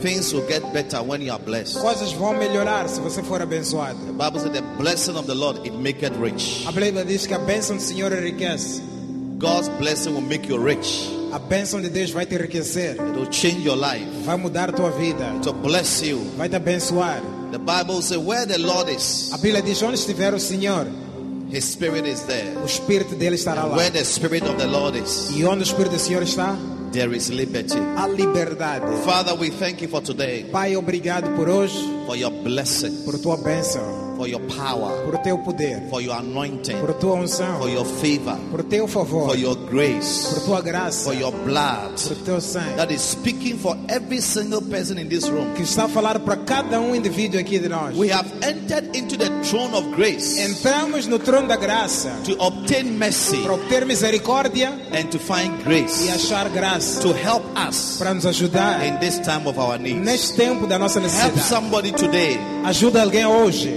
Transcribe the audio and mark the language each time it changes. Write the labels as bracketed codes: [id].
[en] Things will get better when you are blessed. [pt] Coisas vão melhorar se você for abençoado. [en] The Bible says the blessing of the Lord it maketh rich. [pt] A Bíblia diz que a bênção do Senhor enriquece. [en] God's blessing will make you rich. [pt] A bênção de Deus vai te enriquecer. [en] It will change your life. [pt] Vai mudar tua vida. [en] It will bless you. [pt] Vai te abençoar. [en] The Bible says where the Lord is. [pt] A Bíblia diz onde estiver o Senhor. [en] His spirit is there. [pt] O espírito dele estará [en] and [pt] lá. [en] Where the spirit of the Lord is. [pt] E onde o espírito do Senhor está? [en] There is liberty. [pt] A liberdade. [en] Father, we thank you for today. [pt] Pai, obrigado por hoje. [en] For your blessing. [pt] Por tua bênção. [en] For your power. [pt] Por teu poder. [en] For your anointing. [pt] Por tua unção. [en] For your favor. [pt] Por teu favor. [en] For your grace. [pt] Por tua graça. [en] For your blood. [pt] Por teu sangue. [en] That is speaking for every single person in this room. [pt] Que está falando para cada indivíduo aqui de nós. [en] We have entered into the throne of grace. [pt] Entramos no trono da graça. [en] To obtain mercy. [pt] Para obter misericórdia. [en] And to find grace. [pt] E achar graça. [en] To help us. [pt] Para nos ajudar. [en] In this time of our needs. [pt] Neste tempo da nossa necessidade. [en] Help somebody today. [pt] Ajuda alguém hoje.